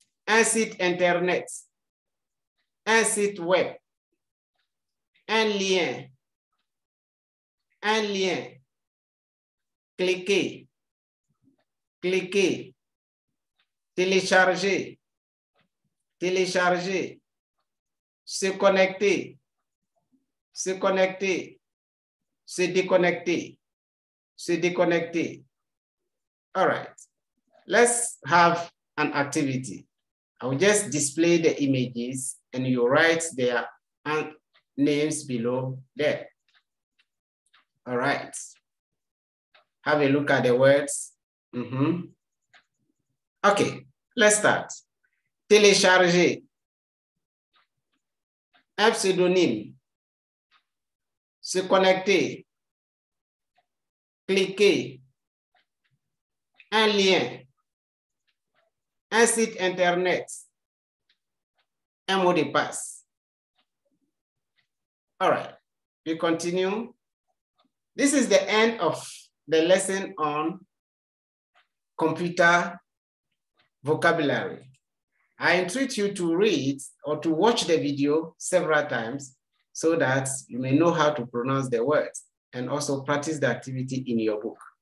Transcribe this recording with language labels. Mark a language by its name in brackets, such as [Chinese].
[French] un site internet, un site web, un lien, cliquez, télécharger, se connecter, se déconnecter. [English] All right, let's have an activity. I will just display the images and you write their names below there. All right, have a look at the words. Mm-hmm. Okay, let's start. [French] Télécharger, un pseudonyme, se connecter, cliquer, un lien, un site internet, un mot de passe. [English] All right, we continue. This is the end of the lesson on computer vocabulary. I entreat you to read or to watch the video several times so that you may know how to pronounce the words and also practice the activity in your book.